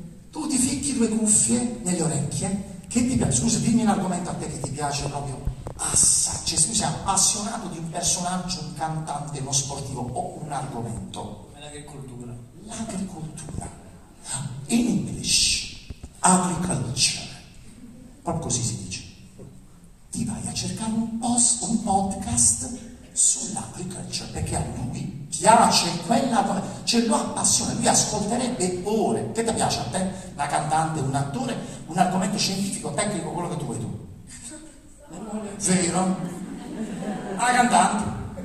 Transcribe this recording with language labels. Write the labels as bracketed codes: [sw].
[it] Tu ti ficchi due cuffie nelle orecchie, che ti piace? Scusa, dimmi un argomento a te che ti piace proprio. Assaggio, cioè, sei appassionato di un personaggio, un cantante, uno sportivo o un argomento. L'agricoltura. L'agricoltura. [en] In English, agriculture. [it] Proprio così si dice. Ti vai a cercare un podcast sull'agriculture, perché a lui piace quella cosa. Cioè, lo appassiona, lui ascolterebbe ore. Che ti piace a te? Una cantante, un attore, un argomento scientifico, tecnico, quello che tu vuoi tu. Vero? Una cantante.